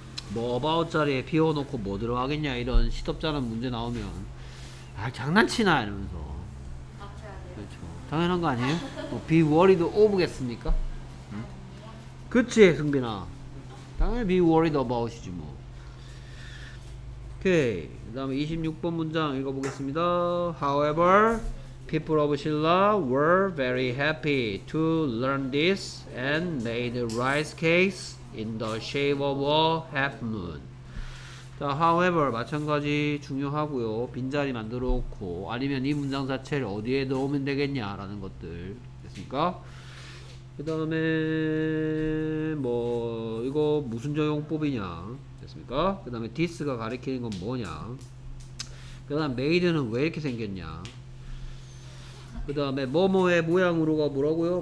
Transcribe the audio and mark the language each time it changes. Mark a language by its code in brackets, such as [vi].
[ko] 뭐 about 자리에 비워놓고 뭐 들어가겠냐 이런 시덥잖은 문제 나오면 아 장난치나 이러면서 그렇죠. 당연한 거 아니에요? 뭐 [en] be worried of [ko] 겠습니까? 응? 그치 승빈아 당연히 [en] be worried about [ko] 이지 뭐. 오케이 그 다음에 26번 문장 읽어보겠습니다. [en] However, people of Silla were very happy to learn this and made rice cakes in the shape of a half moon. [ko] 자, however, 마찬가지 중요하고요. 빈자리 만들어 놓고 아니면 이 문장 자체를 어디에 넣으면 되겠냐라는 것들 됐습니까? 그 다음에 뭐 이거 무슨 적용법이냐 됐습니까? 그 다음에 this가 가리키는 건 뭐냐 그 다음 made는 왜 이렇게 생겼냐 그 다음에 뭐뭐의 모양으로가 뭐라고요?